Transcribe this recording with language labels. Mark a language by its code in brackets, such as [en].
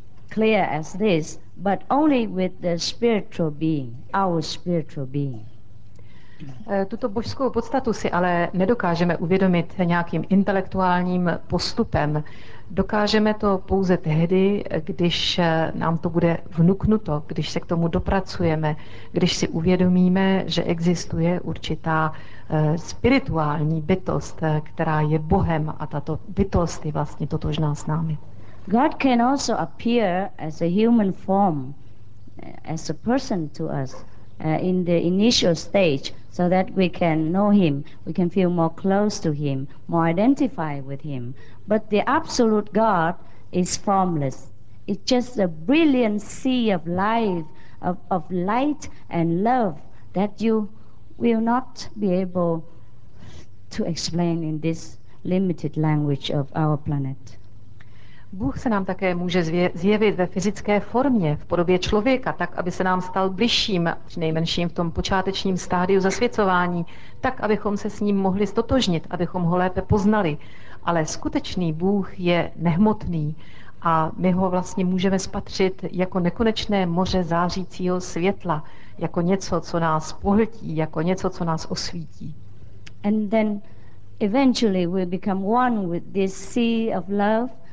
[en] clear as this, but only with the spiritual being, our spiritual being. [cs] Tuto božskou podstatu si ale nedokážeme uvědomit nějakým intelektuálním postupem. Dokážeme to pouze tehdy, když nám to bude vnuknuto, když se k tomu dopracujeme, když si uvědomíme, že existuje určitá spirituální bytost, která je Bohem, a tato bytost je vlastně totožná s námi. [en] God can also appear as a human form, as a person to us in the initial stage, so that we can know him, we can feel more close to him, more identified with him. But the absolute God is formless. It's just a brilliant sea of life, of light and love that you will not be able to explain in this limited language of our planet. [cs] Bůh se nám také může zjevit ve fyzické formě, v podobě člověka, tak, aby se nám stal bližším, přinejmenším v tom počátečním stádiu zasvěcování, tak, abychom se s ním mohli ztotožnit, abychom ho lépe poznali. Ale skutečný Bůh je nehmotný a my ho vlastně můžeme spatřit jako nekonečné moře zářícího světla, jako něco, co nás pohltí, jako něco, co nás osvítí. [en] And then eventually we become one with this sea of love.